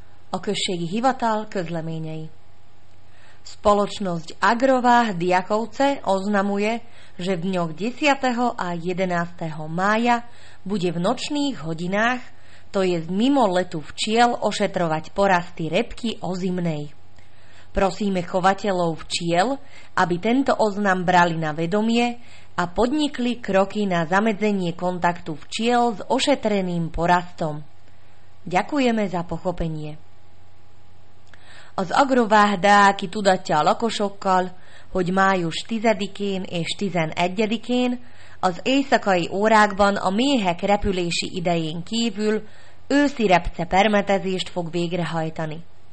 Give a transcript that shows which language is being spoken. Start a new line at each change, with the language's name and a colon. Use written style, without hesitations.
Hungarian: Okršiek Hivatal, Közleményei.
Slovak: Spoločnosť Agrovah Diakovce oznamuje, že v dňoch 10. a 11. mája bude v nočných hodinách, to je mimo letu včiel, ošetrovať porasty repky ozimnej. Prosíme chovateľov včiel, aby tento oznam brali na vedomie a podnikli kroky na zamedzenie kontaktu včiel s ošetreným porastom. Ďakujeme za pochopenie.
Hungarian: Az agrovágda, aki tudatja a lakosokkal, hogy május 10-én és 11-én az éjszakai órákban a méhek repülési idején kívül őszi repce permetezést fog végrehajtani.